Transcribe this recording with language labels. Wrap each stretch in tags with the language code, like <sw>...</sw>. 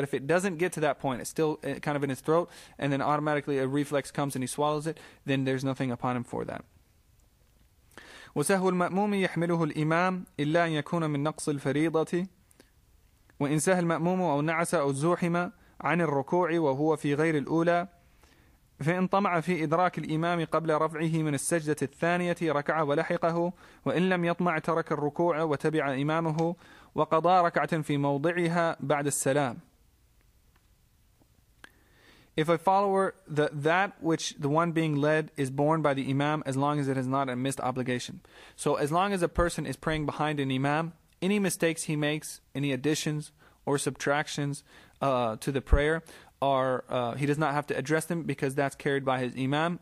<en>But if it doesn't get to that point, it's still kind of in his throat, and then automatically a reflex comes and he swallows it, then there's nothing upon him for that.</en> <ar>وسهو المأموم يحمله الإمام إلا أن يكون من نقص الفريضة وإن سهى المأموم أو نعس أو زحم عن الركوع وهو في غير الأولى فإن طمع في إدراك الإمام قبل رفعه من السجدة الثانية ركع ولحقه وإن لم يطمع ترك الركوع وتبع إمامه وقضى ركعة في موضعها بعد السلام.</ar> <en>If a follower, that which the one being led is borne by the imam, as long as it is not a missed obligation. So as long as a person is praying behind an imam, any mistakes he makes, any additions or subtractions to the prayer, are he does not have to address them, because that's carried by his imam.</en>